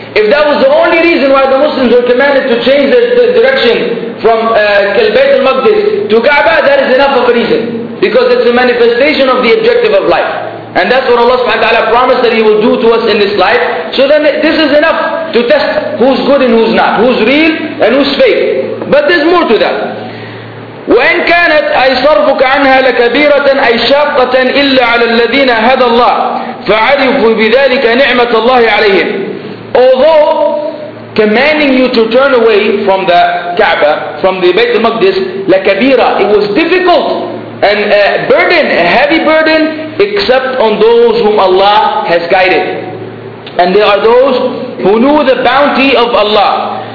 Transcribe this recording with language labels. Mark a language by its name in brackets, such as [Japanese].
[English] If that was the only reason why the Muslims were commanded to change the direction from Bayt al-Maqdis to Kaaba, that is enough of a reason. Because it's a manifestation of the objective of life. And that's what Allah subhanahu wa ta'ala promised that He will do to us in this life. So then this is enough. to test who's good and who's not, who's real and who's fake. But there's more to that. [Arabic] وإن كانت أي صرفك عنها لكبيرة أي شاقة إلا على الذين هدى الله فعرفوا بذلك نعمة الله عليهم. [English] Although commanding you to turn away from the Kaaba, from the Bayt al-Maqdis, لكبيرة, it was difficult and a burden, a heavy burden, except on those whom Allah has guided. And they are those who knew the bounty of Allah.